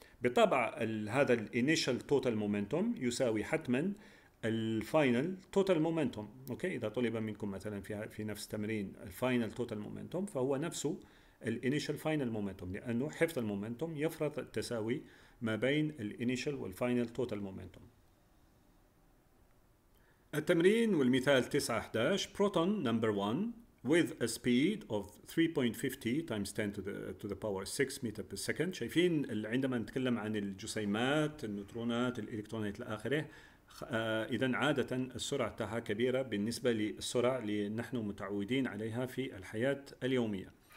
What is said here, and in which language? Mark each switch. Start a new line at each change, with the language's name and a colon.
Arabic: بالطبع هذا الـ Initial Total Momentum يساوي حتما الفاينل توتال مومنتوم، اوكي. اذا طلب منكم مثلا في نفس التمرين الفاينل توتال مومنتوم، فهو نفسه الانيشال فاينل مومنتوم، لانه حفظ المومنتوم يفرض التساوي ما بين الانيشال والفاينل توتال مومنتوم. التمرين والمثال 9-11.
English: Proton number 1 with a speed of 3.50 times 10 to the power 6 meter per second.
Arabic: شايفين عندما نتكلم عن الجسيمات، النوترونات، الالكترونات الاخره، إذا عادة السرعة تاعها كبيرة بالنسبة للسرعة اللي نحن متعودين عليها في الحياة اليومية.